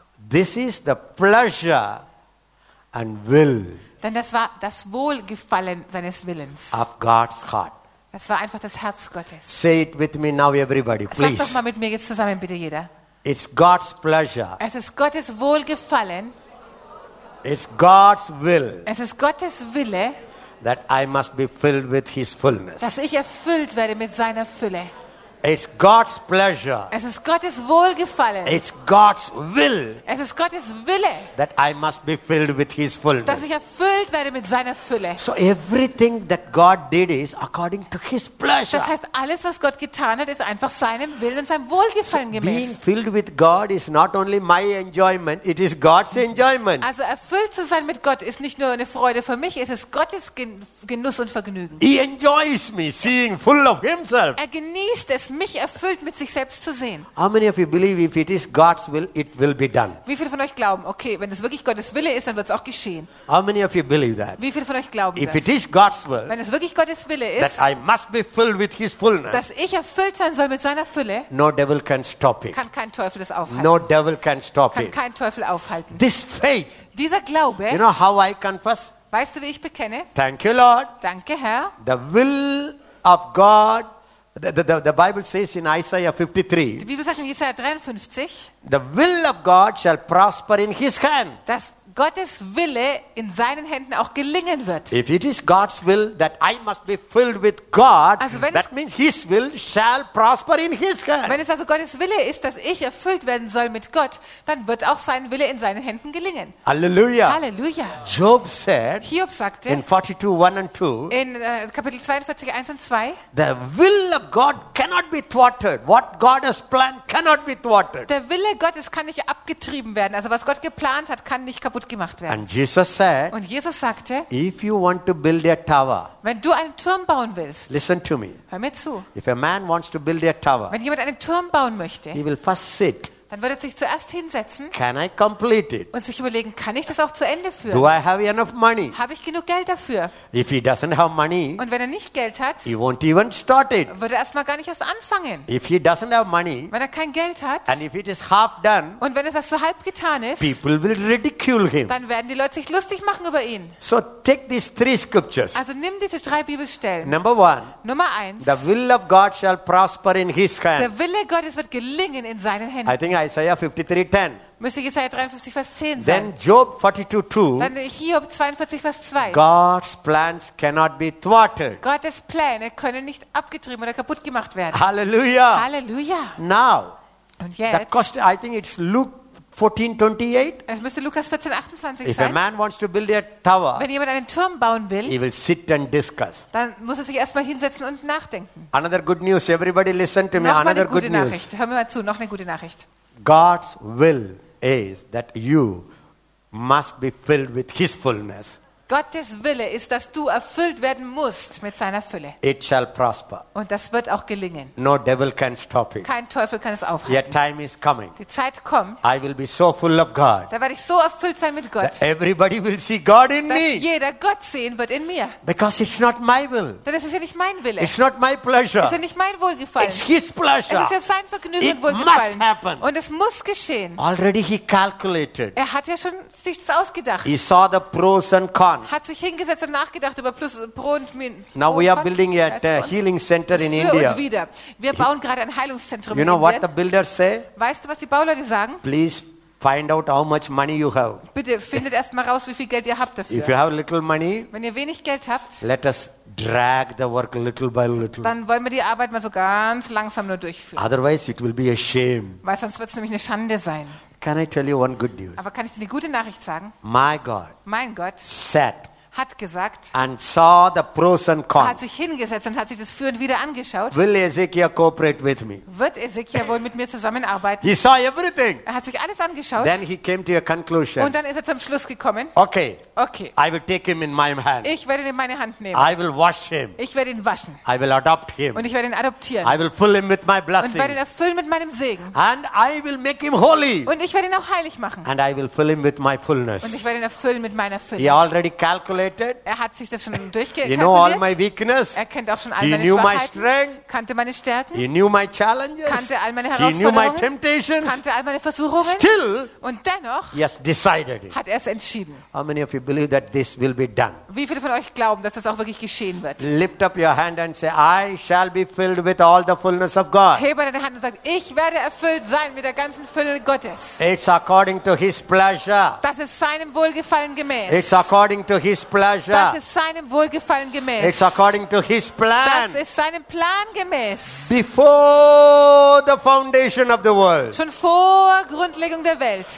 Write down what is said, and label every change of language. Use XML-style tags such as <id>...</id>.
<en>This is the pleasure and will.</en> <de>Denn das war das Wohlgefallen seines Willens.</de> <en>Of God's heart.</en> <de>Das war einfach das Herz Gottes.</de> <en>Say it with me now, everybody, please.</en> <de>Sag doch mal mit mir jetzt zusammen, bitte jeder.</de> <en>It's God's pleasure.</en> <de>Es ist Gottes Wohlgefallen.</de> <en>It's God's will.</en> <de>Es ist Gottes Wille.</de> <en>That I must be filled with His fullness.</en> <de>Dass ich erfüllt werde mit seiner Fülle.</de> <en>It's God's pleasure.</en> <de>Es ist Gottes Wohlgefallen.</de> <en>It's God's will.</en> <de>Es ist Gottes Wille.</de> <en>That I must be filled with His fullness.</en> <de>Dass ich erfüllt werde mit seiner Fülle.</de> <en>So everything that God did is according to His pleasure.</en> <de>Das heißt, alles was Gott getan hat, ist einfach seinem Willen und seinem Wohlgefallen gemäß.</de> <en>Being filled with God is not only my enjoyment, it is God's enjoyment.</en> <de>Also erfüllt zu sein mit Gott ist nicht nur eine Freude für mich, es ist Gottes Genuss und Vergnügen.</de> <en>He enjoys me seeing full of Himself.</en> <de>Er genießt es, mich erfüllt mit sich selbst zu sehen.</de> <en>How many of you believe if it is God's will, it will be done?</en> <de>Wie viele von euch glauben, okay, wenn es wirklich Gottes Wille ist, dann wird es auch geschehen?</de> <en>How many of you believe that?</en> <de>Wie viele von euch glauben</de> <en>if</en> <de>das?</de> <en>It is God's will,</en> <de>wenn es wirklich Gottes Wille ist,</de> <en>that I must be filled with His fullness,</en> <de>dass ich erfüllt sein soll mit seiner Fülle,</de> <en>no devil can stop it.</en> <de>Kann kein Teufel das aufhalten.</de> <en>No devil can stop</en> <de>kann</de> <en>it.</en> <de>Kein Teufel aufhalten.</de> <en>This faith,</en> <de>dieser Glaube,</de> <en>you know how I confess?</en> <de>Weißt du, wie ich bekenne?</de> <en>Thank you, Lord.</en> <de>Danke, Herr.</de> <en>The will of God. The Bible says in Isaiah 53.</en> <de>Die Bibel sagt in Jesaja 53.</de> <en>The will of God shall prosper in His hand.</en> <de>Dass Gottes Wille in seinen Händen auch gelingen wird.</de> <en>If it is God's will that I must be filled with God,</en> <de>also wenn</de> <en>that</en> <de>es,</de> <en>means His will shall prosper in His hand.</en> <de>Wenn es also Gottes Wille ist, dass ich erfüllt werden soll mit Gott, dann wird auch sein Wille in seinen Händen gelingen. Hallelujah. Hallelujah.</de> <en>Job said.</en> <de>Hiob sagte.</de> <en>In 42:1-2.</en> <de>In Kapitel 42:1-2.</de> <en>The will of God cannot be thwarted. What God has planned cannot be thwarted.</en> <de>Der Wille Gottes kann nicht abgetrieben werden. Also was Gott geplant hat, kann nicht kaputt gemacht werden.</de> <en>And Jesus said,</en> <de>und Jesus sagte,</de> <en>if you want to build a tower,</en> <de>wenn du einen Turm bauen willst,</de> <en>listen to me,</en> <de>hör mir zu,</de> <en>if a man wants to build a tower,</en> <de>wenn jemand einen Turm bauen möchte,</de> <en>he will first sit,</en> <de>dann wird er sich zuerst hinsetzen,</de> <en>can I complete it?</en> <de>Und sich überlegen, kann ich das auch zu Ende führen?</de> <en>Do I have enough money?</en> <de>Habe ich genug Geld dafür?</de> <en>If he doesn't have money,</en> <de>und wenn er nicht Geld hat,</de> <en>he won't even start it.</en> <de>Wird er erstmal gar nicht erst anfangen.</de> <en>If he doesn't have money,</en> <de>wenn er kein Geld hat,</de> <en>and if it is half done,</en> <de>und wenn es erst so halb getan ist,</de> <en>people will ridicule him.</en> <de>Dann werden die Leute sich lustig machen über ihn.</de> <en>So take these three scriptures.</en> <de>Also nimm diese drei Bibelstellen. Nummer eins.</de> <en>The will of God shall prosper in his hand.</en> <de>Der Wille Gottes wird gelingen in seinen Händen.</de> <en>Isaiah 53:10.</en> <de>Müsste Jesaja 53, Vers 10 sein.</de> <en>Then Job 42:2.</en> <de>Dann Hiob 42, Vers 2.</de> <en>God's plans cannot be thwarted.</en> <de>Gottes Pläne können nicht abgetrieben oder kaputt gemacht werden. Halleluja. Halleluja.</de> <en>Now.</en> <de>Und jetzt.</de> <en>I think it's Luke 14:28.</en> <de>Es müsste Lukas 14:28 sein.</de> <en>If a man wants to build a tower,</en> <de>wenn jemand einen Turm bauen will,</de> <en>he will sit and discuss.</en> <de>Dann muss er sich erstmal hinsetzen und nachdenken.</de> <en>Another good news, everybody listen to me.</en> <de>Noch</de> <en>another good news. Nachricht.</en> <de>Hör mir mal zu, noch eine gute Nachricht.</de> <en>God's will is that you must be filled with His fullness.</en> <de>Gottes Wille ist, dass du erfüllt werden musst mit seiner Fülle.</de> <en>It shall prosper.</en> <de>Und das wird auch gelingen.</de> <en>No devil can stop it.</en> <de>Kein Teufel kann es aufhalten.</de> <en>Your time is coming.</en> <de>Die Zeit kommt.</de> <en>I will be so full of God.</en> <de>Da werde ich so erfüllt sein mit Gott.</de> <en>That everybody will see God in</en> <de>dass</de> <en>me.</en> <de>Dass jeder Gott sehen wird in mir.</de> <en>Because it's not my will.</en> <de>Denn es ist ja nicht mein Wille.</de> <en>It's not my pleasure.</en> <de>Es ist ja nicht mein Wohlgefallen.</de> <en>It's His pleasure.</en> <de>Es ist ja sein Vergnügen</de> <en>it</en> <de>und Wohlgefallen.</de> <en>Must happen.</en> <de>Und es muss geschehen.</de> <en>Already he calculated.</en> <de>Er hat ja schon sich das ausgedacht.</de> <en>He saw the pros and cons.</en> <de>Hat sich hingesetzt und nachgedacht über Plus, Pro und Min.</de> <en>Now we are building a healing center in India.</en> <de>Und wieder. Wir bauen gerade ein Heilungszentrum</de> <en>you</en> <de>in</de> <en>know</en> <de>Indien.</de> <en>What the builders say?</en> <de>Weißt du, was die Bauleute sagen?</de> <en>Please find out how much money you have.</en> <de>Bitte findet erst mal raus, wie viel Geld ihr habt dafür.</de> <en>If you have little money,</en> <de>wenn ihr wenig Geld habt,</de> <en>let us drag the work little by little.</en> <de>Dann wollen wir die Arbeit mal so ganz langsam nur durchführen.</de> <en>Otherwise it will be a shame.</en> <de>Weil sonst wird es nämlich eine Schande sein.</de> <en>Can I tell you one good news?</en> <de>Aber kann ich dir eine gute Nachricht sagen?</de> <en>My God,</en> <de>mein Gott,</de> <en>sat,</en> <de>hat gesagt,</de> <en>and saw the pros and cons.</en> <de>Hat sich hingesetzt und hat sich das Für und Wider angeschaut.</de> <en>Will Ezekiel cooperate with me?</en> <de>Wird Ezekiel wohl mit mir zusammenarbeiten?</de> <en>He saw everything.</en> <de>Er hat sich alles angeschaut.</de> <en>Then he came to a conclusion.</en> <de>Und dann ist er zum Schluss gekommen.</de> <en>Okay.</en> <de>Okay.</de> <en>I will take him in my hand.</en> <de>Ich werde ihn in meine Hand nehmen.</de> <en>I will wash him.</en> <de>Ich werde ihn waschen.</de> <en>I will adopt him.</en> <de>Und ich werde ihn adoptieren.</de> <en>I will fill him with my blessing.</en> <de>Und werde ihn erfüllen mit meinem Segen.</de> <en>And I will make him holy.</en> <de>Und ich werde ihn auch heilig machen.</de> <en>And I will fill him with my fullness.</en> <de>Und ich werde ihn erfüllen mit meiner Fülle.</de> <en>He already calculated. calculated.</en> <de>Er hat sich das schon durchgekalkuliert.</de> <en>He knew all my weakness.</en> <de>Er kennt auch schon all meine Schwachheiten.</de> <en>My strength.</en> <de>Kannte meine Stärken.</de> <en>He knew my challenges.</en> <de>Kannte all meine Herausforderungen.</de> <en>He knew my temptations.</en> <de>Kannte all meine Versuchungen.</de> <en>Still,</en> <de>und dennoch,</de> <en>he has decided it.</en> <de>Hat er es entschieden.</de> <en>How many of you believe that this will be done?</en> <de>Wie viele von euch glauben, dass das auch wirklich geschehen wird?</de> <en>Lift up your hand and say, I shall be filled with all the fullness of God.</en> <de>Hebe deine Hand und sag, ich werde erfüllt sein mit der ganzen Fülle Gottes.</de> <en>It's according to His pleasure.</en> <de>Das ist seinem Wohlgefallen gemäß.</de> <en>It's according to His pleasure.</en> <de>Das ist seinem Wohlgefallen gemäß.</de> <en>It's according to His plan.</en> <de>Das ist seinem Plan gemäß.</de> <en>Before the foundation of the world.</en> <de>Schon vor Grundlegung der Welt.</de>